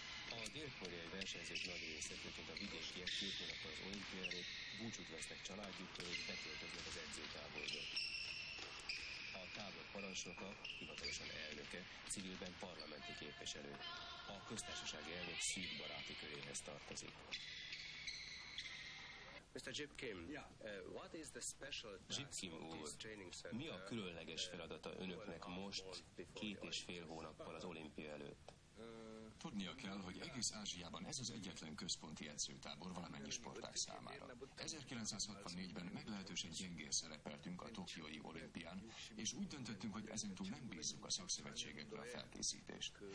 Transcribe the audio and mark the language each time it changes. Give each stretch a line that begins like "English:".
Hungarian: A dél-koreai versenyzők nagy része, mint a vidékiek, kétnek az olimpiára, búcsút vesznek családjuktól, hogy betöltöznek az edzőtáborba. A tábor parancsnoka, hivatalosan elnöke, civilben parlamenti képviselő. A köztársasági elnök szűk baráti köréhez tartozik.
English: Mr. Jip Kim, what is the special task of this training center?
Hungarian: Mi a különleges feladata önöknek most, 2,5 hónappal az olimpia előtt? Tudnia kell, hogy egész Ázsiában ez az egyetlen központi edzőtábor valamennyi sportág számára. 1964-ben meglehetősen gyengén szerepeltünk a tokiói olimpián, és úgy döntöttünk, hogy ezentúl nem bízzuk a szakszövetségekre a felkészítést.